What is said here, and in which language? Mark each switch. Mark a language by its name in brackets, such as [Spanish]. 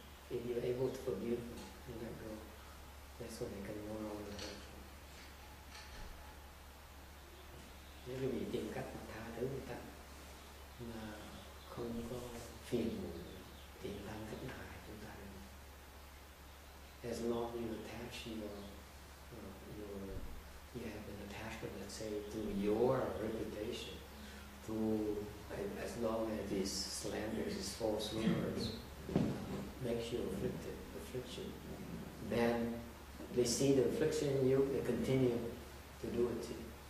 [English] if you're able to forgive and let go, that's when they can no longer hurt you. [Vietnamese] Nếu quý vị tìm cách mà tha thứ người ta mà không có phiền muộn thì làm cách nào hại chúng ta được. [English] As long you attach you have an attachment, let's say, to your reputation, to as long as these slanders, these false rumors, makes you afflicted, affliction, then they see the affliction in you, they continue to do it to you.